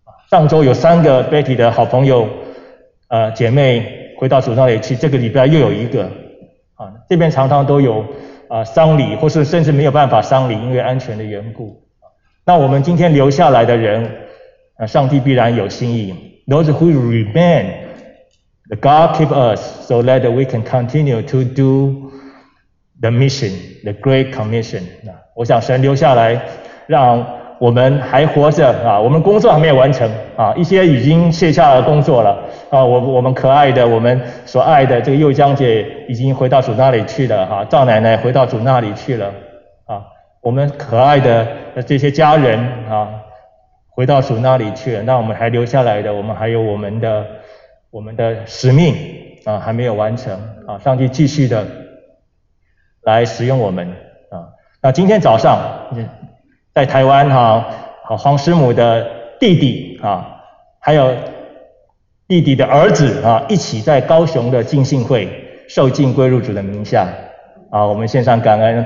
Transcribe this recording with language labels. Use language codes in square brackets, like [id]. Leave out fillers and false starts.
[zh] 上周有三个 Betty 的好朋友、姐妹回到主那里去，这个礼拜又有一个。这边常常都有丧礼，或是甚至没有办法丧礼，因为安全的缘故。那我们今天留下来的人，上帝必然有心意。 [en] Those who remain, the God keep us so that we can continue to do the mission, the great commission. [zh] 我想神留下来，让我们还活着我们工作还没有完成一些已经卸下了工作了我们可爱的，我们所爱的这个佑江姐已经回到主那里去了赵奶奶回到主那里去了。我们可爱的这些家人回到主那里去了，那我们还留下来的，我们还有我们的使命还没有完成上帝继续的来使用我们那今天早上在台湾黄师母的弟弟还有弟弟的儿子一起在高雄的浸信会受浸归入主的名下我们献上感恩。